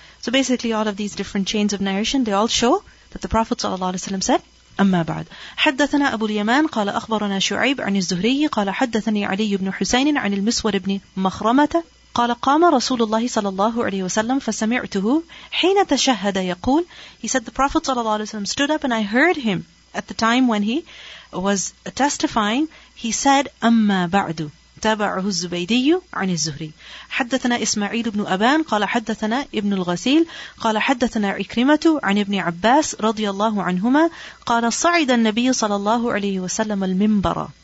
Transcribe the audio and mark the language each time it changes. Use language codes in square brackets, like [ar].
[en] So basically all of these different chains of narration, they all show that the Prophet [ar] صلى الله عليه وسلم [en] said [ar] أما بعد. حدثنا أبو اليمان قال أخبرنا شعيب عن الزهري قال حدثني علي بن حسين عن المسور بن مخرمة قال قام رسول الله صلى الله عليه وسلم فسمعته حين تشهد يقول. [en] He said the Prophet [ar] صلى الله عليه وسلم [en] stood up and I heard him at the time when he was testifying. He said [ar] أما بعد. تابعه الزبيدي عن الزهري. حدثنا إسماعيل بن أبان قال حدثنا ابن الغسيل قال حدثنا عكرمة عن ابن عباس رضي الله عنهما قال صعد النبي صلى الله عليه وسلم المنبر.